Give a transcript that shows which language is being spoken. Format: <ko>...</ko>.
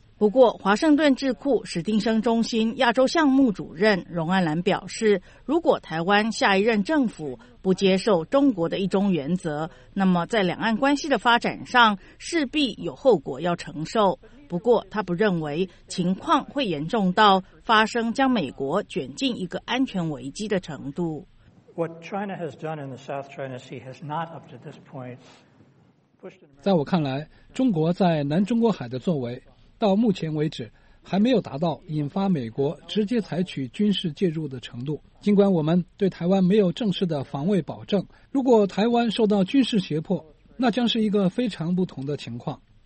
<zh>不过，华盛顿智库史丁生中心亚洲项目主任荣安兰表示，如果台湾下一任政府不接受中国的一中原则，那么在两岸关系的发展上势必有后果要承受。不过，他不认为情况会严重到发生将美国卷进一个安全危机的程度。</zh> <en>What China has done in the South China Sea has not up to this point pushed.</en> <zh>在我看来，中国在南中国海的作为，到目前为止还没有达到引发美国直接采取军事介入的程度。尽管我们对台湾没有正式的防卫保证，如果台湾受到军事胁迫，那将是一个非常不同的情况。</zh>